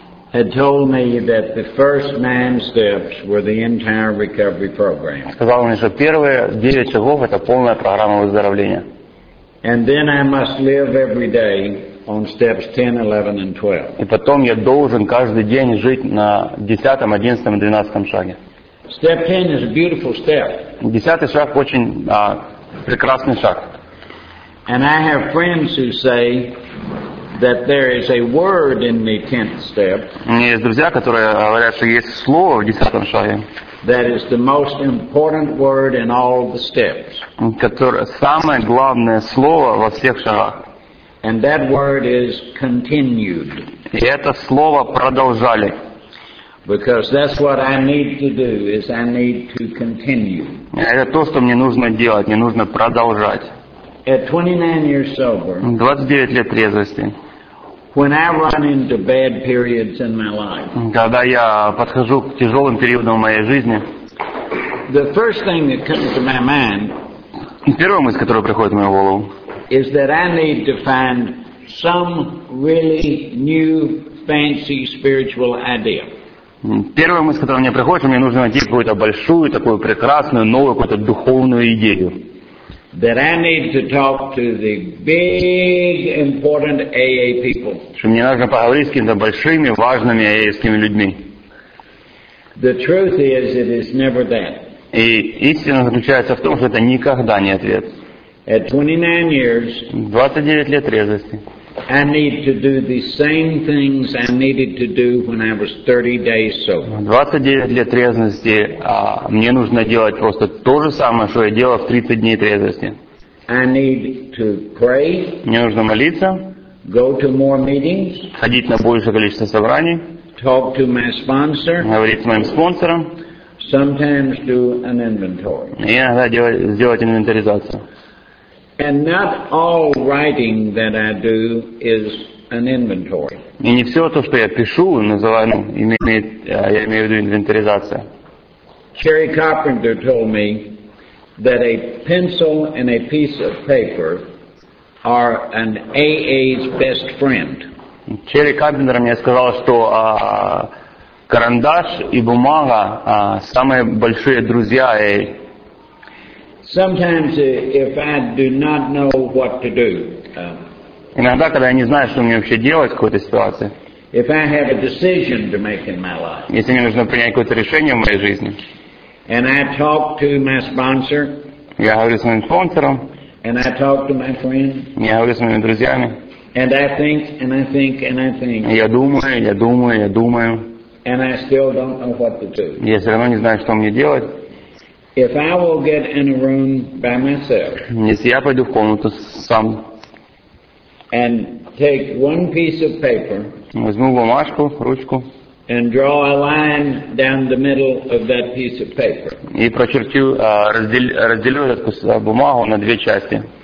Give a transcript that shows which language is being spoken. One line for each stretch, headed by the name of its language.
English: had told me that the first 9 steps were the entire recovery program.
Russian: Сказал мне, что первые 9 шагов это полная программа выздоровления.
English: And then I must live every day on steps 10, 11, and 12.
Russian: И потом я должен каждый день жить на 10, 11, и 12 шаге.
English: Step 10 is a beautiful step.
Russian: 10-й шаг очень прекрасный шаг.
English: And I have friends who say that there is a word in the 10th step.
Russian: Есть друзья, которые говорят, что есть слово в 10-м шаге.
English: That is the most important word in all the steps.
Russian: Которое самое главное слово во всех шагах.
English: And that word is continued.
Russian: И это слово продолжали.
English: Because that's what I need to do is I need to continue.
Russian: Это то, что мне нужно делать, мне нужно продолжать.
English: At 29 years sober.
Russian: 29 лет трезвости.
English: When I run into bad periods in my life.
Russian: Когда я подхожу к тяжелым периодам в моей жизни.
English: The first thing that comes to my mind.
Russian: Первая мысль, которая приходит в мою голову.
English: Is that I need to find some really new fancy spiritual idea.
Russian: Первая мысль, которая мне приходит, что мне нужно найти какую-то большую, такую прекрасную, новую какую-то духовную идею.
English: That I need to talk to the big, important AA people.
Russian: Что мне нужно поговорить с какими-то большими, важными AA-скими людьми.
English: The truth is, it is never that.
Russian: И истина заключается в том, что это никогда не ответ.
English: At 29 years.
Russian: 29 лет трезвости.
English: I need to do the same things I needed to do when I was 30 days sober.
Russian: 29 лет трезвости, мне нужно делать просто то же самое, что я делал в 30 дней трезвости.
English: I need to pray.
Russian: Мне нужно молиться.
English: Go to more meetings.
Russian: Ходить на большее количество собраний.
English: Talk to my sponsor.
Russian: Говорить с моим спонсором.
English: Sometimes do an inventory.
Russian: И иногда сделать инвентаризацию.
English: And not all writing that I do is an inventory.
Russian: И не все то, что я пишу, называю, ну, я имею в виду инвентаризация.
English: Cherry Carpenter told me that a pencil and a piece of paper are an AA's best friend.
Russian: Cherry Carpenter мне сказал, что карандаш и бумага самые большие друзья AA.
English: Sometimes if I do not know what to do.
Russian: Иногда, когда я не знаю, что мне вообще делать в какой-то ситуации.
English: If I have a decision to make in my life.
Russian: Если мне нужно принять какое-то решение в моей жизни.
English: And I talk to my sponsor.
Russian: Я говорю с моим спонсором.
English: And I talk to my friend.
Russian: Я говорю с моими друзьями.
English: And I think and I think and I think.
Russian: Я думаю, я думаю, я думаю.
English: And I still don't know what to do.
Russian: Я все равно не знаю, что мне делать.
English: If I will get in a room by myself.
Russian: Если я пойду в комнату сам.
English: And take one piece of paper.
Russian: Возьму бумажку, ручку.
English: And draw a line down the middle of that piece of paper.
Russian: И прочерчу, разделю эту бумагу на две части.